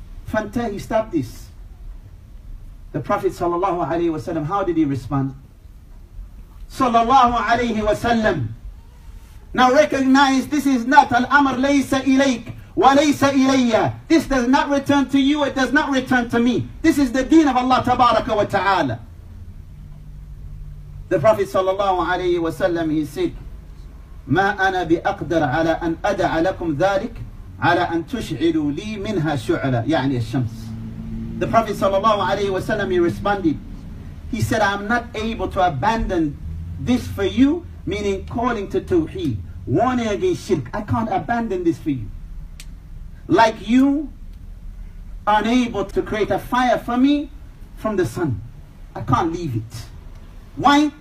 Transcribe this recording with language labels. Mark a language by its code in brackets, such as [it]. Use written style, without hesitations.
[en] Fantahi, stop this. The Prophet sallallahu alayhi wa sallam, how did he respond? Sallallahu alayhi wa sallam. Now recognize, this is not [ar] al-amr laysa ilayk wa laysa ilayya. [en] This does not return to you, it does not return to me. This is the deen of Allah tabaraka wa ta'ala. [ar] The Prophet sallallahu alayhi wa sallam, he said, ما أنا بأقدر على أن أدع لكم ذلك على أن تشعلوا لي منها شعلة يعني الشمس. [en] The Prophet sallallahu alaihi wasallam, he responded, he said, I'm not able to abandon this for you, meaning calling to tawheed, warning against shirk. I can't abandon this for you. Like you unable to create a fire for me from the sun. I can't leave it. Why?